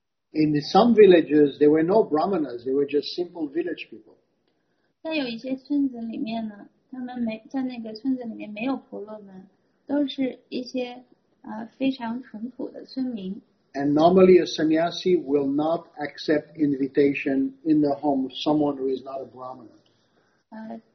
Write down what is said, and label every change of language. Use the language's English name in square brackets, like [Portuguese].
[English] In some villages, there were no brahmanas, they were just simple village people. [Chinese] 在有一些村子里面呢，他们没有婆罗门，都是一些非常淳朴的村民。 [English] And normally a sannyasi will not accept invitation in the home of someone who is not a brahmana.